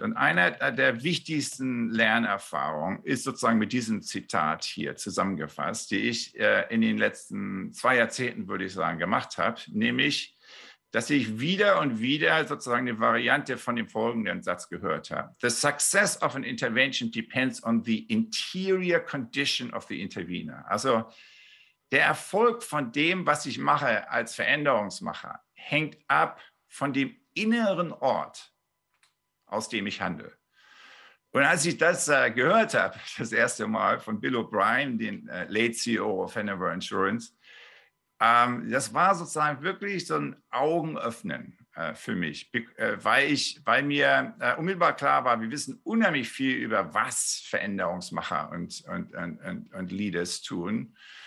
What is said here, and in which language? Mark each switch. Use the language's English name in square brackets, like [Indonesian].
[German] Und eine der wichtigsten Lernerfahrungen ist sozusagen mit diesem Zitat hier zusammengefasst, die ich in den letzten zwei Jahrzehnten, würde ich sagen, gemacht habe, nämlich, dass ich wieder und wieder sozusagen eine Variante von dem folgenden Satz gehört habe. [English] The success of an intervention depends on the interior condition of the intervener. [German] Also der Erfolg von dem, was ich mache als Veränderungsmacher, hängt ab von dem inneren Ort, aus dem ich handle. Und als ich das gehört habe, das erste Mal von Bill O'Brien, den [English] Late CEO of Hanover Insurance, [German] das war sozusagen wirklich so ein Augenöffnen für mich, weil mir unmittelbar klar war, wir wissen unheimlich viel über, was Veränderungsmacher und Leaders tun.